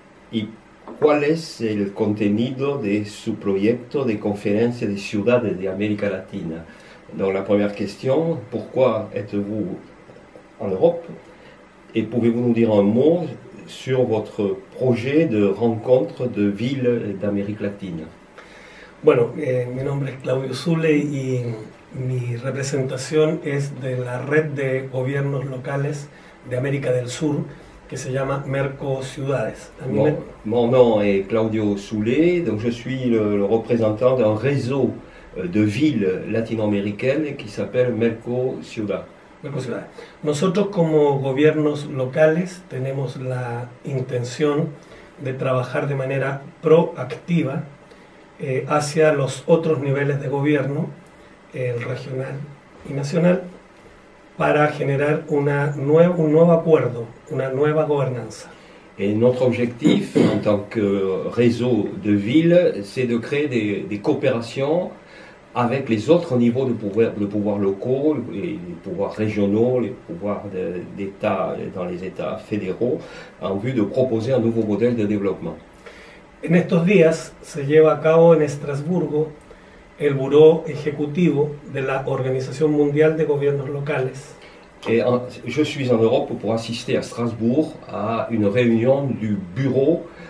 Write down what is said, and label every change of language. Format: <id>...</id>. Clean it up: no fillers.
<es>¿Y cuál es el contenido de su proyecto de conferencia de ciudades de América Latina?</es> <fr>Donc,</fr> <es>la primera cuestión,</es> <fr>¿pourquoi êtes-vous en Europe?</fr> <es>Y</es> <fr>pouvez-vous nous dire un mot sur votre projet de rencontre de villes d'Amérique latine?</fr> <es>Bueno, mi nombre es Claudio Sule y mi representación es de la red de gobiernos locales de América del Sur, que se llama Merco Ciudades. A mí me...</es> <fr>Mon nom est Claudio Soulet, donc je suis le représentant d'un réseau de villes latino-américaines qui s'appelle Merco Ciudad.</fr> <es>Merco Ciudades. Nosotros como gobiernos locales tenemos la intención de trabajar de manera proactiva hacia los otros niveles de gobierno, el regional y nacional, para generar un nuevo acuerdo, una nueva gobernanza.</es> <fr>Et notre objectif en tant que réseau de villes, c'est de créer des coopérations avec les autres niveaux de pouvoir locaux, les pouvoirs régionaux, les pouvoirs d'État dans les États fédéraux, en vue de proposer un nouveau modèle de développement.</fr> <es>En estos días se lleva a cabo en Estrasburgo el Buró Ejecutivo de la Organización Mundial de Gobiernos Locales.</es> <fr>Je suis en Europe pour assister à Strasbourg à une réunion du bureau</fr>